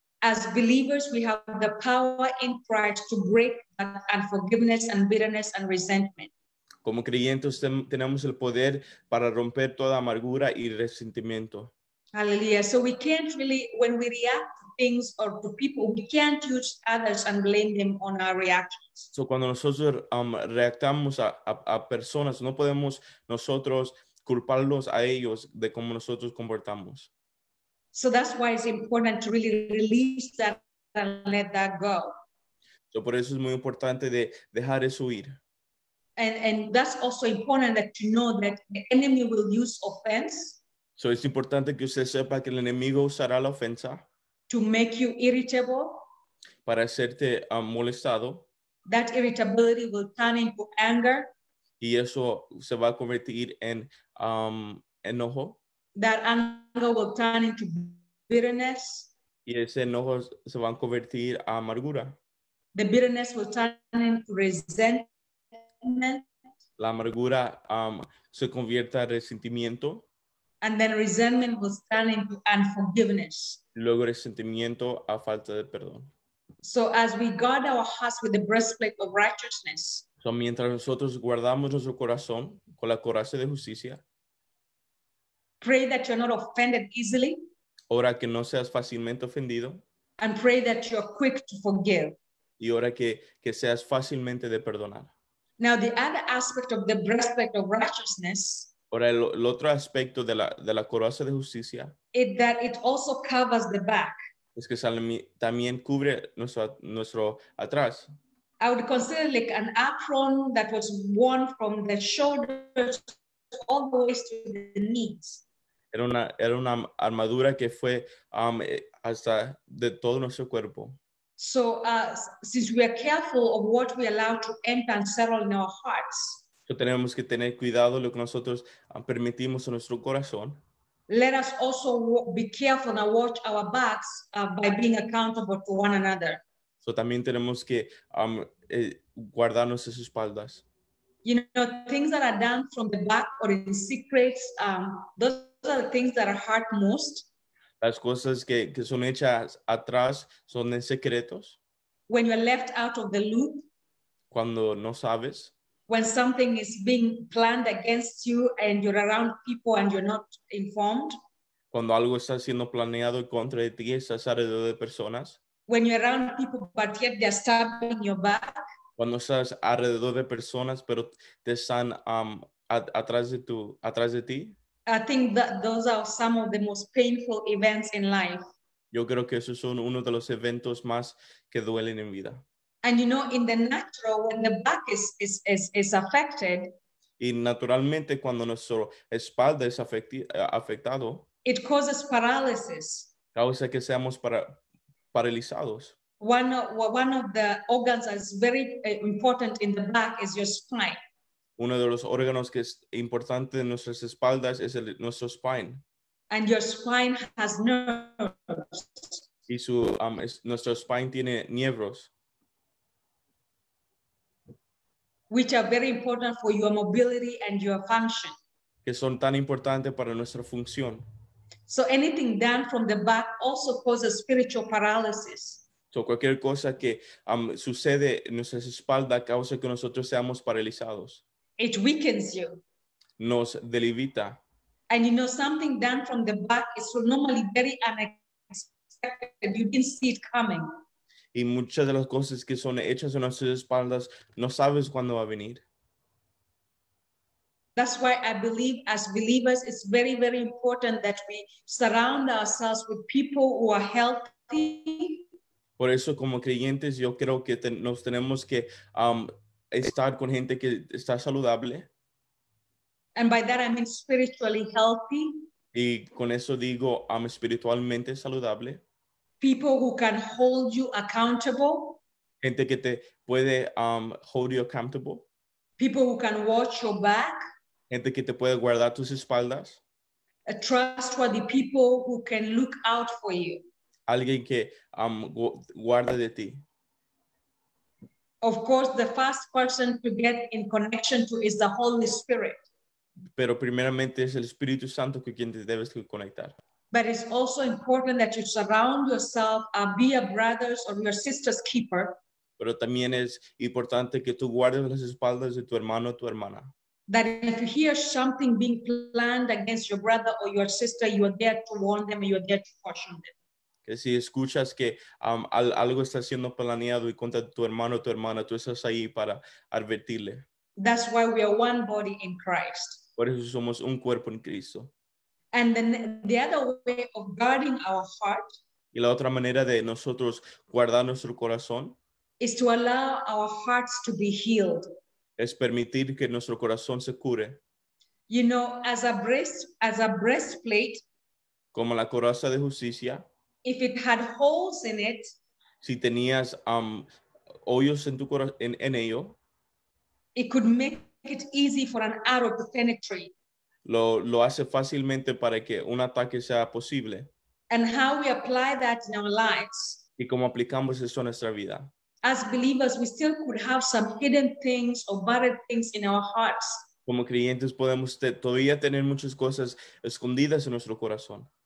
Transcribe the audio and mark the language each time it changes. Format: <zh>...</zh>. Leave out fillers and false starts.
<en>As believers, we have the power in Christ to break unforgiveness and bitterness and resentment.</en> <es>Como creyentes tenemos el poder para romper toda amargura y resentimiento.</es> <en>Hallelujah. So we can't really, when we react to things or to people, we can't use others and blame them on our reactions.</en> <es>So cuando nosotros reactamos a personas, no podemos nosotros culparlos a ellos de cómo nosotros comportamos.</es> <en>So that's why it's important to really release that and let that go.</en> <es>So por eso es muy importante de dejar eso ir.</es> <en>And that's also important that you know that the enemy will use offense.</en> <es>So es importante que usted sepa que el enemigo usará la ofensa.</es> <en>To make you irritable.</en> <es>Para hacerte molestado.</es> <en>That irritability will turn into anger.</en> <es>Y eso se va a convertir en enojo.</es> <en>That anger will turn into bitterness.</en> <es>Y ese enojo se va a convertir a amargura.</es> <en>The bitterness will turn into resentment.</en> <es>La amargura se convierte en resentimiento.</es> <en>And then resentment will turn into unforgiveness.</en> <es>Luego resentimiento a falta de perdón.</es> <en>So as we guard our hearts with the breastplate of righteousness.</en> <es>So mientras nosotros guardamos nuestro corazón con la coraza de justicia.</es> <en>Pray that you're not offended easily.</en> <es>Ora que no seas fácilmente ofendido.</es> <en>And pray that you're quick to forgive.</en> <es>Y ora que seas fácilmente de perdonar.</es> <en>Now the other aspect of the breastplate of righteousness.</en> <es>Ahora, el otro aspecto de la coraza de justicia</es> <en>that it also covers the back.</en> <es>Es que también cubre nuestro atrás.</es> <en>I would consider like an apron that was worn from the shoulders all the way to the knees.</en> <es>Era una armadura que fue hasta de todo nuestro cuerpo.</es> <en>So since we are careful of what we allow to enter and settle in our hearts.</en> <es>So tenemos que tener cuidado lo que nosotros permitimos en nuestro corazón.</es> <en>Let us also be careful and watch our backs by being accountable to one another.</en> <es>So también tenemos que guardar nuestras espaldas.</es> <en>You know, things that are done from the back or in secrets, those are the things that are hurt most.</en> <es>Las cosas que son hechas atrás son en secretos.</es> <en>When you're left out of the loop.</en> <es>Cuando no sabes.</es> <en>When something is being planned against you and you're around people and you're not informed.</en> <es>Cuando algo está siendo planeado contra ti, estás alrededor de personas.</es> <en>When you're around people, but yet they're stabbing your back.</en> <es>Cuando estás alrededor de personas, pero te están atrás de ti.</es> <en>I think that those are some of the most painful events in life.</en> <es>Yo creo que esos son uno de los eventos más que duelen en vida.</es> <en>And you know, in the natural, when the back is affected,</en> <es>y naturalmente cuando nuestra espalda es afectado,</es> <en>it causes paralysis.</en> <es>Causa que seamos paralizados.</es> <en>One of the organs that's very important in the back is your spine.</en> <es>Uno de los órganos que es importante en nuestras espaldas es nuestro spine.</es> <en>And your spine has nerves.</en> <es>Y nuestro spine tiene nervios.</es> <en>Which are very important for your mobility and your function.</en> <es>Que son tan importantes para nuestra función.</es> <en>So anything done from the back also causes spiritual paralysis.</en> <es>So cualquier cosa que sucede en nuestra espalda causa que nosotros seamos paralizados.</es> <en>It weakens you.</en> <es>Nos debilita.</es> <en>And you know, something done from the back is normally very unexpected. You didn't see it coming.</en> <es>Y muchas de las cosas que son hechas en nuestras espaldas, no sabes cuándo va a venir.</es> <en>That's why I believe as believers, it's very, very important that we surround ourselves with people who are healthy.</en> <es>Por eso, como creyentes, yo creo que nos tenemos que estar con gente que está saludable.</es> <en>And by that, I mean spiritually healthy.</en> <es>Y con eso digo, espiritualmente saludable.</es> <en>People who can hold you accountable.</en> <es>Gente que te puede</es> <en>hold you accountable. People who can watch your back.</en> <es>Gente que te puede guardar tus espaldas.</es> <en>A trustworthy people who can look out for you.</en> <es>Alguien que guarda de ti.</es> <en>Of course, the first person to get in connection to is the Holy Spirit.</en> <es>Pero primeramente es el Espíritu Santo con quien te debes conectar.</es> <en>But it's also important that you surround yourself and be a brother's or your sister's keeper.</en> <es>Pero también es importante que tú guardes las espaldas de tu hermano o tu hermana.</es> <en>That if you hear something being planned against your brother or your sister, you are there to warn them and you are there to caution them.</en> <es>Que si escuchas que algo está siendo planeado y contra tu hermano o tu hermana, tú estás ahí para advertirle.</es> <en>That's why we are one body in Christ.</en> <es>Por eso somos un cuerpo en Cristo.</es> <en>And then the other way of guarding our heart.</en> <es>Y la otra manera de nosotros guardar nuestro corazón.</es> <en>Is to allow our hearts to be healed.</en> <es>Es permitir que nuestro corazón se cure.</es> <en>You know, as a breastplate.</en> <es>Como la coraza de justicia.</es> <en>If it had holes in it.</en> <es>Si tenías hoyos en tu corazón, en ello.</es> <en>It could make it easy for an arrow to penetrate.</en> <es>Lo hace fácilmente para que un ataque sea posible.</es> <en>And how we apply that in our lives.</en> <es>Y cómo aplicamos eso en nuestra vida.</es> <en>As believers, we still could have some hidden things or buried things in our hearts.</en> <es>Como creyentes podemos todavía tener muchas cosas escondidas en nuestro corazón.</es>